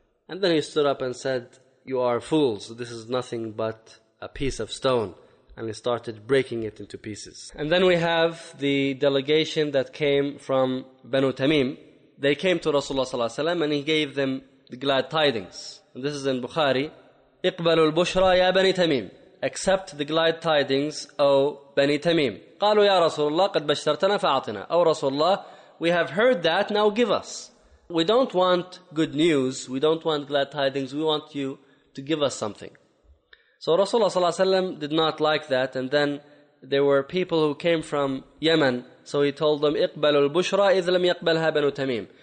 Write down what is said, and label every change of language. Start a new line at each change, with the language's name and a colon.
English: And then he stood up and said, you are fools. This is nothing but a piece of stone. And he started breaking it into pieces. And then we have the delegation that came from Banu Tamim. They came to Rasulullah sallallahu alaihi wasallam, and he gave them the glad tidings. And this is in Bukhari.
Arabic: اقبلوا البشرى يا بني تميم.
English: Accept the glad tidings, O Bani Tamim.
Arabic: قالوا يا رسول الله قد بشرتنا فأعطنا.
English: O Rasulullah, we have heard that, now give us. We don't want good news, we don't want glad tidings, we want you to give us something. So Rasulullah sallallahu alaihi wasallam did not like that, and then there were people who came from Yemen, so he told them,
Arabic: اقبلوا البشرى إذ لم يقبلها بنو تميم.